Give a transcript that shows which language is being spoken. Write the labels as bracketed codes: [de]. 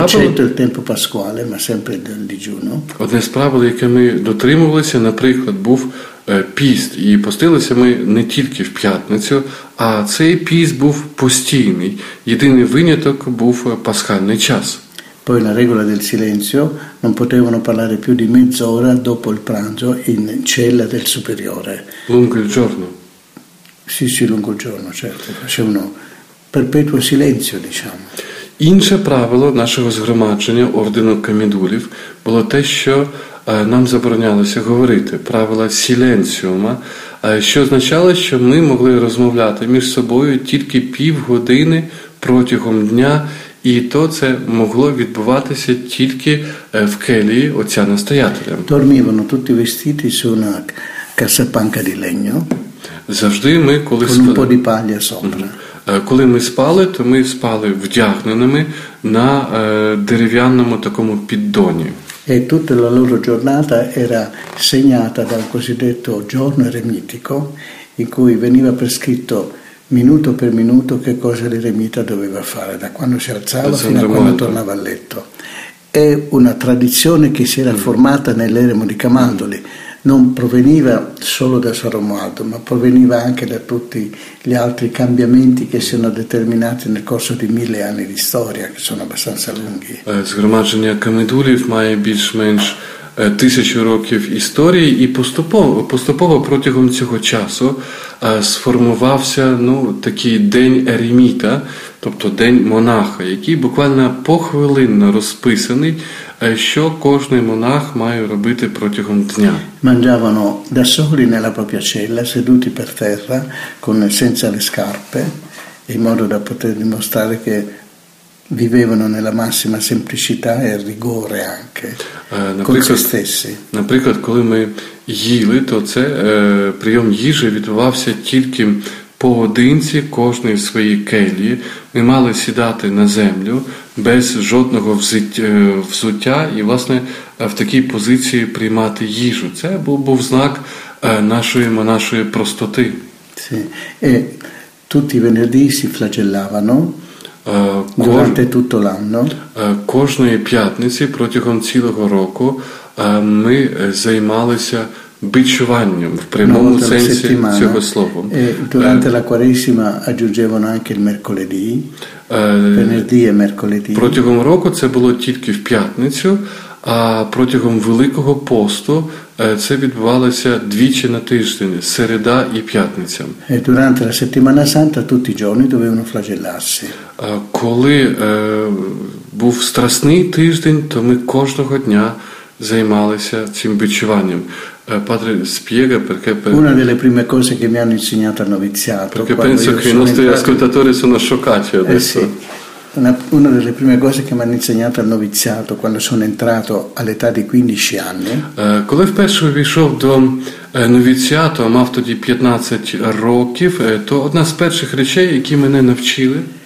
[it] Eccetto il tempo pasquale, ma sempre del digiuno. [uk] Одне з правил, яке ми дотримувалися, наприклад, був піст. І постилися ми не тільки в п'ятницю, а цей піст був постійний. Єдиний виняток був пасхальний час. [it] Poi la regola del silenzio, non potevano parlare più di mezz'ora dopo il pranzo in cella del superiore. Lungo il giorno? Sì, lungo il giorno, certo. Facevano perpetuo silenzio, diciamo. [uk] Інше правило нашого згромадження ордену Камедулів було те, що нам заборонялося говорити. Правило «сіленціума», що означало, що ми могли розмовляти між собою тільки півгодини протягом дня – і то це могло відбуватися тільки в келії отця настоятеля. [it] Dormivano tutti vestiti su una cassapanca di legno. [uk] Завжди ми, коли [it] con un po' di paglia sopra. [uk] Коли ми спали, то ми спали вдягненими на дерев'яному такому піддоні. [it] E tutta la loro giornata era segnata dal cosiddetto giorno eremitico, in cui veniva prescritto minuto per minuto che cosa l'eremita doveva fare, da quando si alzava fino a quando tornava a letto. È una tradizione che si era formata nell'eremo di Camaldoli, non proveniva solo da San Romualdo, ma proveniva anche da tutti gli altri cambiamenti che si sono determinati nel corso di 1000 anni di storia, che sono abbastanza lunghi. [uk] Згромадження Камедулів має більш-менш 1000 років історії, і поступово протягом цього часу сформувався, ну, такий день Ереміта, тобто день монаха, який буквально похвилинно розписаний, що кожний монах має робити протягом дня. [it] Mangiavano da soli nella propria cella, seduti per terra, senza le scarpe, in modo da poter dimostrare che vivevano nella massima semplicità e rigore anche con se stessi. [uk] Наприклад, коли ми їли, то це прийом їжі відбувався тільки поодинці, кожної своїй келії. Ми мали сідати на землю без жодного взуття і, власне, в такій позиції приймати їжу. Це був знак нашої простоти. [it] Sì. E tutti i venerdì si flagellavano durante tutto l'anno. [uk] Кожної п'ятниці протягом цілого року ми займалися бичуванням в прямому сенсі цього слова. [it] E durante la Quaresima aggiungevano anche il mercoledì. Venerdì e mercoledì. [uk] Протягом року це було тільки в п'ятницю, а протягом Великого посту це відбувалося двічі на тиждень, середа і п'ятниця. [it] E durante la settimana santa tutti i giorni dovevano flagellarsi. [uk] Коли був страсний тиждень, то ми кожного дня займалися цим бичуванням. [it] Padre spiega perché una delle prime cose che mi hanno insegnato al noviziato, perché penso che i nostri ascoltatori sono scioccati adesso. Una delle prime cose che mi hanno insegnato al noviziato quando sono entrato all'età di 15 anni. [uk] Коли вперше увійшов до новіціату, мав тоді 15 років, то одна з перших речей, які мене навчили,